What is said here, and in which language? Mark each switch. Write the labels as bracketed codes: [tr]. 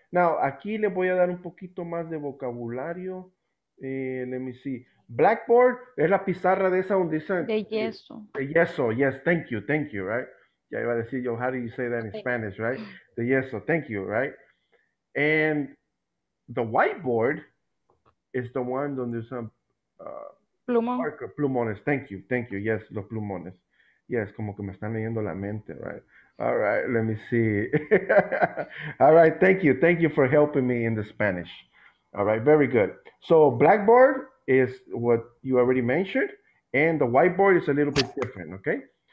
[es] Now, aquí le voy a dar un poquito más de vocabulario. [en] Let me see. [es] Blackboard es la pizarra de esa donde dice de yeso. [en] Yes, thank you, right? [es] Ya iba a decir yo, [en] how do you say that in Spanish, right? [es] De yeso, [en] thank you, right? And the whiteboard is the one [es] donde usan plumones, [en] thank you, yes, los plumones. Yes, [es] como que me están leyendo la mente, [en] right? All right, let me see. All right, thank you for helping me in the Spanish. All right, very good. So blackboard is what you already mentioned, and the whiteboard is a little bit different, okay?